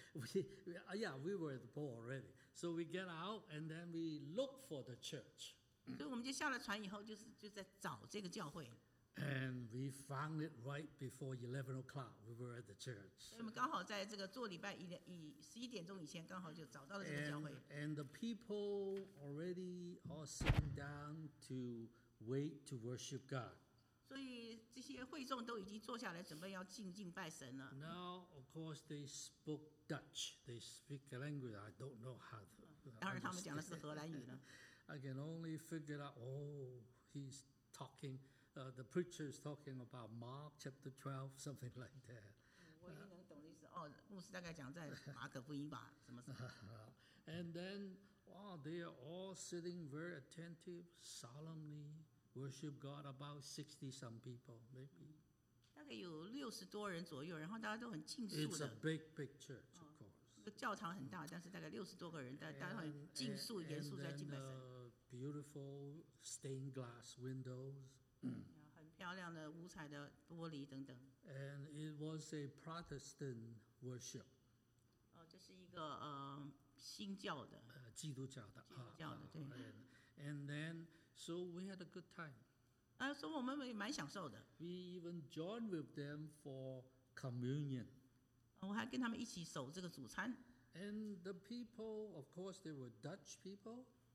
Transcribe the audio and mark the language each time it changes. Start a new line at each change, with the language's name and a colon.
English: We were at the boat already. So we get out and then we look for the church.
Chinese: 所以我们就下了船以后就在找这个教会。
English: And we found it right before 11 o'clock. We were at the church.
Chinese: 我们刚好在这个做礼拜以十一点钟以前刚好就找到了这个教会。
English: And the people already all sitting down to wait to worship God.
Chinese: 所以这些会众都已经坐下来准备要敬拜神了。
English: Now, of course, they spoke Dutch. They speak a language I don't know how to.
Chinese: 当然他们讲的是荷兰语了。
English: I can only figure out, oh, he's talking, the preacher is talking about Mark chapter 12, something like that.
Chinese: 我也能懂的意思，哦，牧师大概讲在马可福音吧，什么什么。
English: And then, wow, they are all sitting very attentive, solemnly, worship God, about 60 some people, maybe.
Chinese: 大概有六十多人左右，然后大家都很敬肃的。
English: It's a big big church, of course.
Chinese: 教堂很大，但是大概六十多个人，大家很敬肃、严肃在敬拜神。
English: And the beautiful stained glass windows.
Chinese: 很漂亮的五彩的玻璃等等。
English: And it was a Protestant worship.
Chinese: 这是一个新教的。基督教的。基督教的，对。
English: And then, so we had a good time.
Chinese: 所以我们也蛮享受的。
English: We even joined with them for communion.
Chinese: 我还跟他们一起守这个主餐。
English: And the people, of course, they were Dutch people.